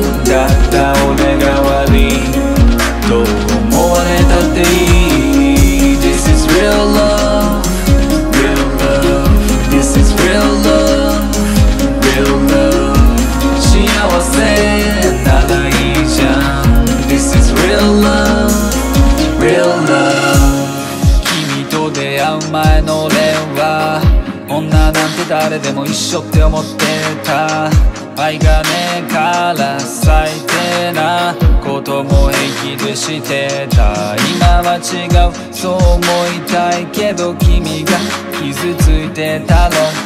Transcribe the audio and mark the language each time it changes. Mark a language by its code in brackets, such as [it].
[ja] だった俺が悪い、どう思われたっていい。 [en] This is real love, real love. This is real love, real love. [ja] 幸せならいいじゃん。 [en] This is real love, real love. [ja] 君と出会う前の俺は、女なんて誰でも一緒って思ってた。愛がねえから最低なことも平気でしてた。今は違うそう思いたいけど、君が傷ついてたろ。